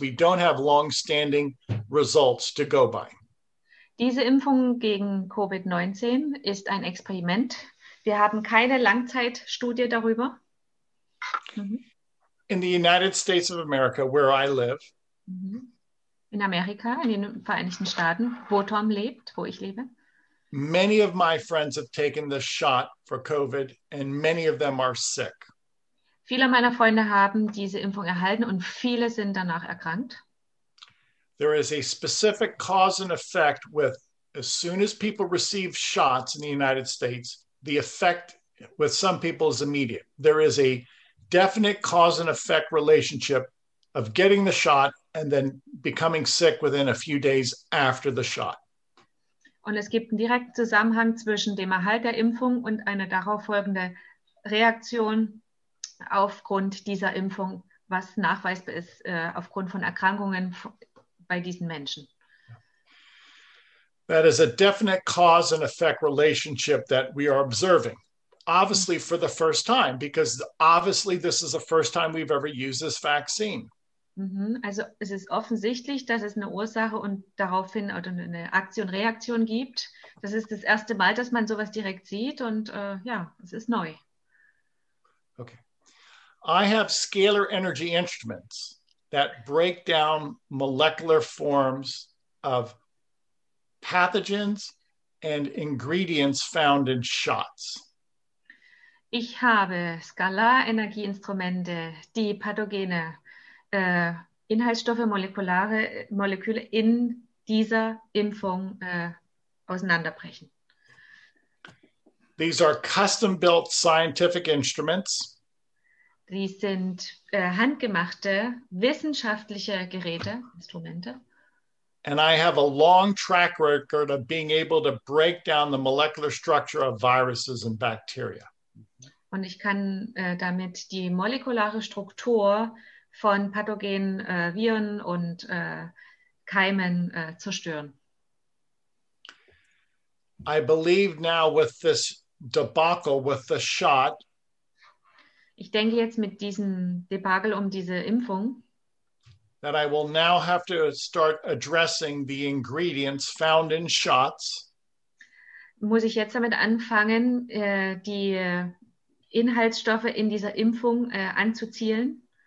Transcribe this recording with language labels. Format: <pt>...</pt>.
<en>We don't have long-standing results to go by.</en> <de>Diese Impfung gegen COVID-19 ist ein Experiment. Wir haben keine Langzeitstudie darüber. Mm-hmm.</de> <en>In the United States of America, where I live. Mm-hmm.</en> <de>In Amerika, in den Vereinigten Staaten, wo Tom lebt, wo ich lebe.</de> <en>Many of my friends have taken the shot for COVID and many of them are sick.</en> <de>Viele meiner Freunde haben diese Impfung erhalten und viele sind danach erkrankt.</de> <en>There is a specific cause and effect with as soon as people receive shots in the United States, the effect with some people is immediate. There is a definite cause and effect relationship of getting the shot and then becoming sick within a few days after the shot.</en> <de>Und es gibt einen direkten Zusammenhang zwischen dem Erhalt der Impfung und einer darauf folgenden Reaktion aufgrund dieser Impfung, was nachweisbar ist, aufgrund von Erkrankungen bei diesen Menschen.</de> <en>That is a definite cause and effect relationship that we are observing, obviously for the first time, because obviously this is the first time we've ever used this vaccine. Mm-hmm.</en> <de>Also es ist offensichtlich, dass es eine Ursache und daraufhin oder eine Aktion-Reaktion gibt. Das ist das erste Mal, dass man sowas direkt sieht und ja, es ist neu. Okay.</de> <en>I have scalar energy instruments that break down molecular forms of pathogens and ingredients found in shots.</en> <de>Ich habe Skalarenergieinstrumente, die pathogene Inhaltsstoffe, molekulare Moleküle in dieser Impfung auseinanderbrechen.</de> <en>These are custom-built scientific instruments.</en> <de>Sie sind handgemachte wissenschaftliche Geräte, Instrumente.</de> <en>And I have a long track record of being able to break down the molecular structure of viruses and bacteria.</en> <de>Und ich kann damit die molekulare Struktur von pathogenen Viren und Keimen zerstören.</de> <en>I believe now with this debacle, with the shot,</en> <de>ich denke jetzt mit diesem Debakel um diese Impfung,</de> <en>that I will now have to start addressing the ingredients found in shots.</en> <de>Muss ich jetzt damit anfangen, die Inhaltsstoffe in dieser Impfung anzuzielen?</de>